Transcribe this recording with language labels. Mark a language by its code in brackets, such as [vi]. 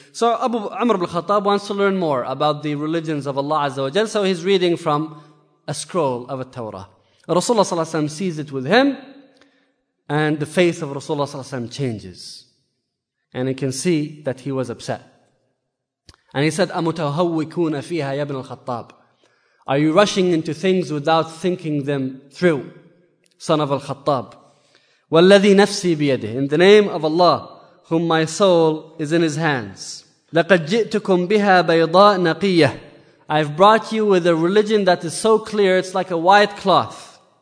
[en] So Umar ibn al-Khattab wants to learn more about the religions of Allah Azza wa Jal. So he's reading from a scroll of a Torah. Rasulullah sallallahu alayhi wa sallam sees it with him and the face of Rasulullah sallallahu alayhi wa sallam changes. And he can see that he was upset. And he said, [ar] أَمُتَهَوِّكُونَ فِيهَا يَا بِنَ الْخَطَّابِ. [en] Are you rushing into things without thinking them through, son of al-Khattab? [ar] وَالَّذِي نَفْسِي بِيَدِهِ. [en] In the name of Allah, whom my soul is in his hands. [ar] لَقَدْ جِئْتُكُمْ بِهَا بَيْضَاءَ نَقِيَّةِ. [en] I've brought you with a religion that is so clear, it's like a white cloth.